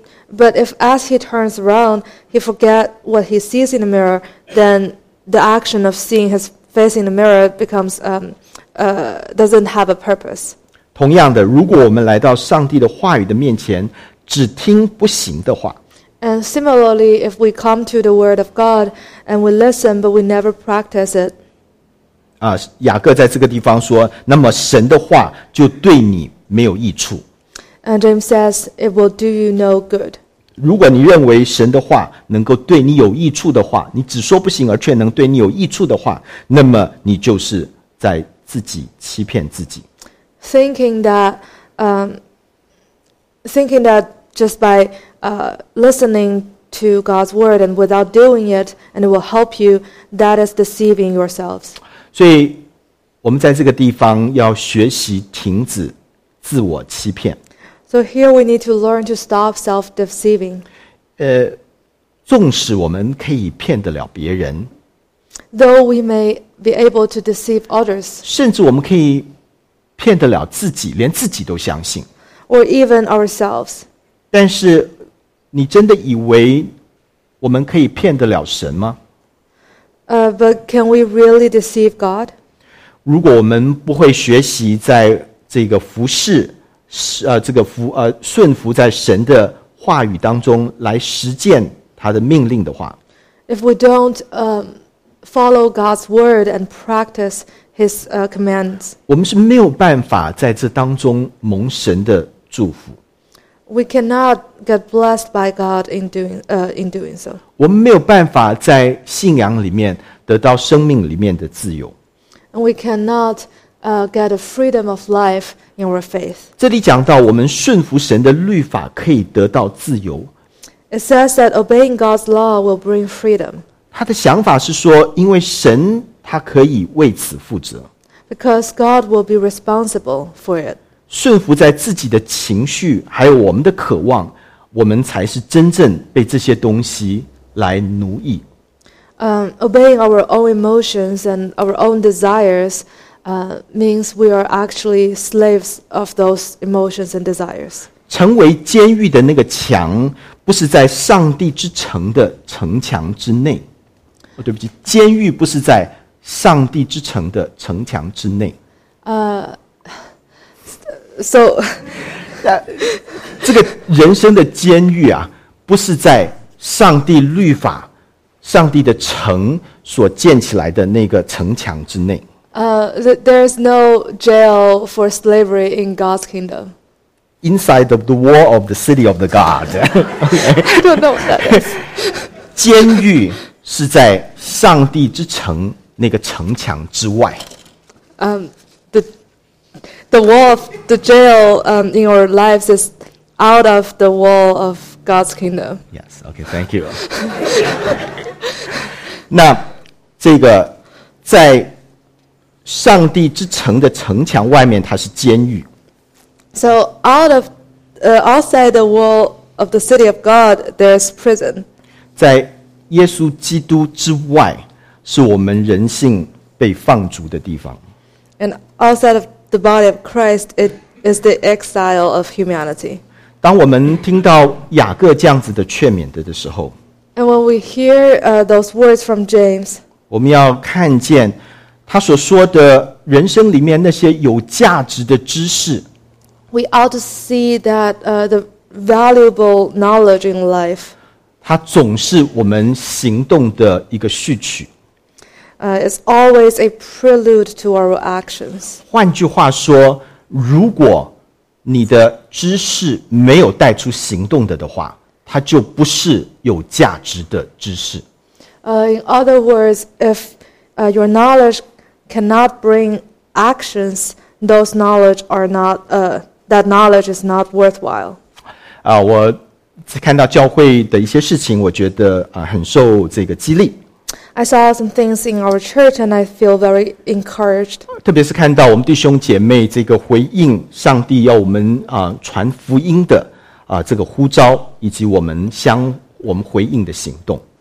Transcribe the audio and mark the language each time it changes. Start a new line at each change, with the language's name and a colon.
English: But if as he turns around, he forget what he sees in the mirror, then the action of seeing his face in the mirror becomes doesn't have a purpose.
Chinese: 同样的，如果我们来到上帝的话语的面前，只听不行的话。
English: And similarly, if we come to the word of God and we listen but we never practice it.
Chinese: 雅各在这个地方说，那么神的话就对你没有益处。
English: And James says, it will do you no good.
Chinese: 如果你认为神的话能够对你有益处的话，你只说不行而却能对你有益处的话，那么你就是在自己欺骗自己。
English: Thinking that just by listening to God's word and without doing it, and it will help you, that is deceiving yourselves.
Chinese: 所以我们在这个地方要学习停止自我欺骗。
English: So here we need to learn to stop self-deceiving.
Chinese: 纵使我们可以骗得了别人，
English: though we may be able to deceive others,
Chinese: 甚至我们可以骗得了自己，连自己都相信，
English: or even ourselves.
Chinese: 但是你真的以为我们可以骗得了神吗？
English: But can we really deceive God?
Chinese: 如果我们不会学习在这个服事顺服在神的话语当中来实践他的命令的话，
English: If we don't follow God's word and practice his commands,
Chinese: 我们是没有办法在这当中蒙神的祝福。
English: We cannot get blessed by God in doing so.
Chinese: 我们没有办法在信仰里面得到生命里面的自由。
English: And we cannot get a freedom of life in our faith.
Chinese: 这里讲到我们顺服神的律法可以得到自由。
English: It says that obeying God's law will bring freedom.
Chinese: 他的想法是说，因为神他可以为此负责。
English: Because God will be responsible for it.
Chinese: 顺服在自己的情绪，还有我们的渴望，我们才是真正被这些东西来奴役。
English: Obeying our own emotions and our own desires, means we are actually slaves of those emotions and desires.
Chinese: 成为监狱的那个墙不是在上帝之城的城墙之内。 Oh, 对不起，监狱不是在上帝之城的城墙之内。
English: So,
Chinese: 这个人生的监狱啊，不是在上帝律法、上帝的城所建起来的那个城墙之内。
English: There is no jail for slavery in God's kingdom. Inside of the wall of the city of the God. I don't know what that is.
Chinese: 监狱是在上帝之城那个城墙之外。
English: The wall of the jail in our lives is out of the wall of God's kingdom. Yes. Okay. Thank you.
Chinese: 那这个在上帝之城的城墙外面，它是监狱。
English: So outside the wall of the city of God, there's prison.
Chinese: 在耶稣基督之外，是我们人性被放逐的地方。
English: And outside of the body of Christ, it is the exile of humanity.
Chinese: 当我们听到雅各这样子的劝勉的时候
English: ，And when we hear those words from James,
Chinese: 我们要看见他所说的人生里面那些有价值的知识，
English: We ought to see that the valuable knowledge in life,
Chinese: 它总是我们行动的一个序曲。
English: It's always a prelude to our actions.
Chinese: 换句话说，如果你的知识没有带出行动的话，它就不是有价值的知识。
English: In other words, if your knowledge cannot bring actions, those knowledge are not, that knowledge is not worthwhile.
Chinese: 我看到教会的一些事情，我觉得很受这个激励。
English: I saw some things in our church and I feel very encouraged.
Chinese: 特别是看到我们弟兄姐妹这个回应上帝要我们传福音的这个呼召，以及我们回应的行动。